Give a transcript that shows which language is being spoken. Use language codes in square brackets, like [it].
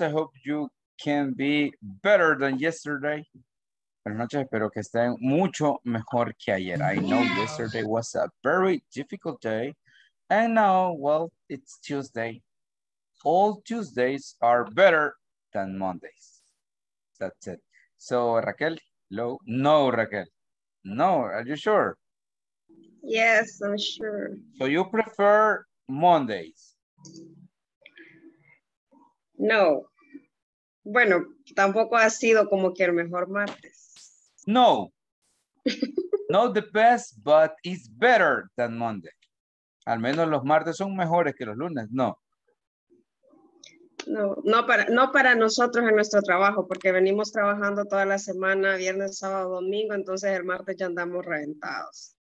[en] I hope you can be better than yesterday. [es] Buenas noches, espero que estén mucho mejor que ayer. [en] I know yesterday was a very difficult day. And now, well, it's Tuesday. All Tuesdays are better than Mondays. That's it. So, Raquel, hello. No, Raquel. No, are you sure? Yes, I'm sure. So you prefer Mondays? No. [es] Bueno, tampoco ha sido como que el mejor martes. No. [en] Not the best, but it's better than Monday. [es] Al menos los martes son mejores que los lunes, no. No para nosotros en nuestro trabajo, porque venimos trabajando toda la semana, viernes, sábado, domingo, entonces el martes ya andamos reventados.